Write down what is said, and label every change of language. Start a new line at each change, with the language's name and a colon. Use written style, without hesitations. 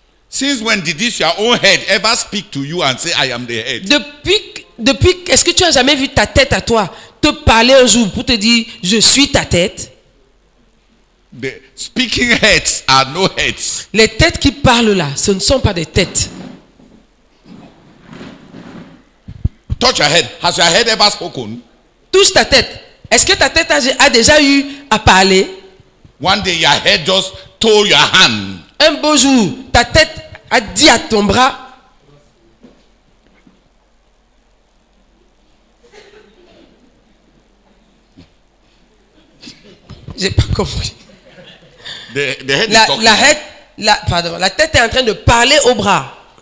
English: Since when did this your own head ever speak to you and say I am the head?
French: Depuis est-ce que tu as jamais vu ta tête à toi te parler un jour pour te dire je suis ta tête?
English: The speaking heads are no heads.
French: Les têtes qui parlent là, ce ne sont pas des têtes.
English: Touch your head. Has your head ever spoken?
French: Touche ta tête. Est-ce que ta tête a déjà eu à parler?
English: One day your head just told your hand.
French: Un beau jour, ta tête a dit à ton bras. J'ai pas compris.
English: The head
French: la tête est en train de parler au bras.